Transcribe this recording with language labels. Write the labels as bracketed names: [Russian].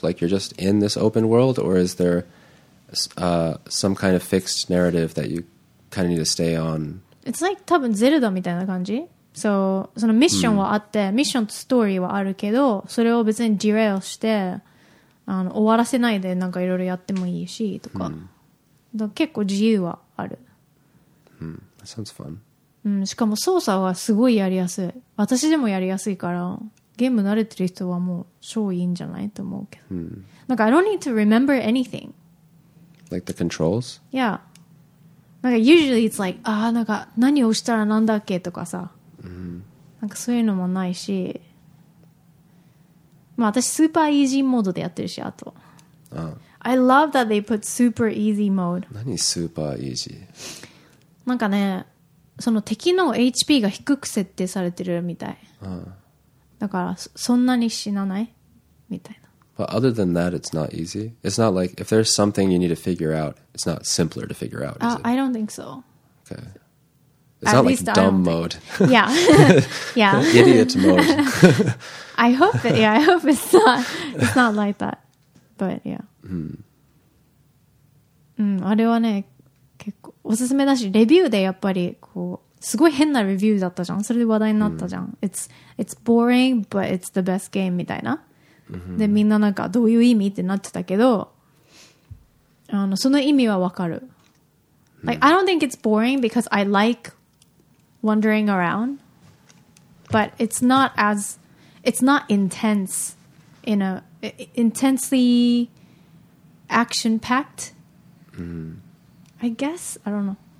[English] Like, you're just in this open world, or is there some kind of fixed narrative that you kind of need to stay on? It's like, [Japanese] 多分 Zelda みたいな感じ。 [English] So, [Japanese] そのミッションはあって、ミッションとストーリーはあるけど、それを別にディレイして、あの、終わらせないでなんかいろいろやってもいいしとか。だから結構自由はある。 [English] That sounds fun. [Japanese] しかも操作はすごいやりやすい。私でもやりやすいから、ゲーム慣れてる人はもう超いいんじゃないと思うけど。なんか [English] I don't need to remember anything. Like the controls? Yeah. Like, usually it's like, ah, [Japanese] なんか何をしたらなんだっけとかさ。なんかそういうのもないし。まあ私スーパーイージーモードでやってるし、あと。 [English] I love that they put super easy mode. [Japanese] 何スーパーイージー？なんかね、その敵の HP が低く設定されてるみたい。だからそんなに死なないみたいな。 [English] But other than that, it's not easy. It's not like if there's something you need to figure out, it's not simpler to figure out. I don't think so. Okay. It's not like dumb mode. Yeah. Yeah. Idiot mode. I hope it's not like that. But yeah. [Japanese] あれはね、結構おすすめだし、レビューでやっぱりこう、すごい変なレビューだったじゃん。それで話題になったじゃん。 [English] It's boring, but it's the best game [Japanese] みたいな。でみんななんかどういう意味ってなってたけど、あのその意味はわかる。 [English] Like, I don't think it's boring because I like wandering around, but it's not intense in a intensely action packed. I guess I don't know.